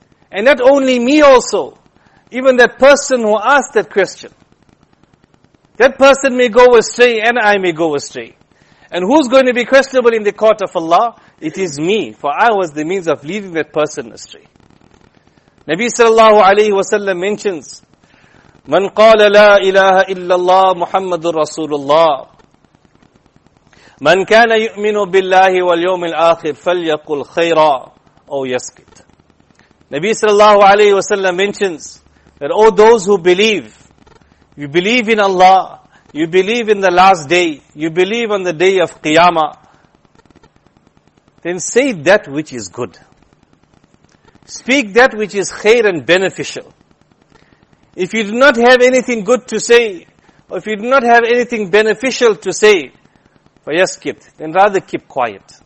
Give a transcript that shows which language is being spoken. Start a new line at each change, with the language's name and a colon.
English: And not only me also, even that person who asked that question, that person may go astray and I may go astray. And who's going to be questionable in the court of Allah? It is me, for I was the means of leading that person astray. Nabi sallallahu alayhi wa sallam mentions,
Arabic: من قال لا إله إلا الله محمد رسول الله من كان يؤمن بالله واليوم الآخر فليقل خيرا أو يسكت.
English: Nabi sallallahu alayhi wa sallam mentions that all those who believe, you believe in Allah, you believe in the last day, you believe on the day of Qiyamah, then say that which is good. Speak that which is khair and beneficial. If you do not have anything good to say, or if you do not have anything beneficial to say,
Arabic: فَيَسْكِتْ,
English: then rather keep quiet.